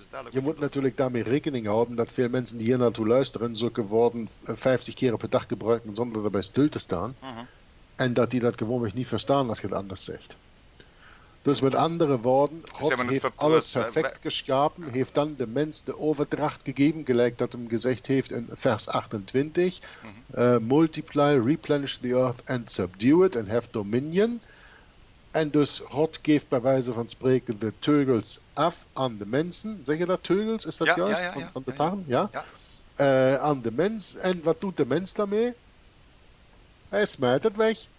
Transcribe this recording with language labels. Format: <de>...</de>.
<nl>Je moet natuurlijk daarmee rekening houden dat veel mensen die hier naartoe luisteren zulke woorden 50 keer per dag gebruiken zonder erbij stil te staan. Uh-huh. En dat die dat gewoonweg niet verstaan als je het anders zegt. Dus met andere woorden, God heeft alles perfect geschapen, heeft dan de mens de overdracht gegeben, gelijk dat hem gezegd heeft in vers 28, mm-hmm.</nl> <en>Multiply, replenish the earth and subdue it and have dominion.</en> <nl>En dus God geeft bij wijze van spreken de teugels af aan de mensen. Zeg je dat, teugels? Is dat juist? Ja, ja, ja. Van de farm? Ja. Aan de mens. En wat doet de mens daarmee? Hij smijt het weg.</nl>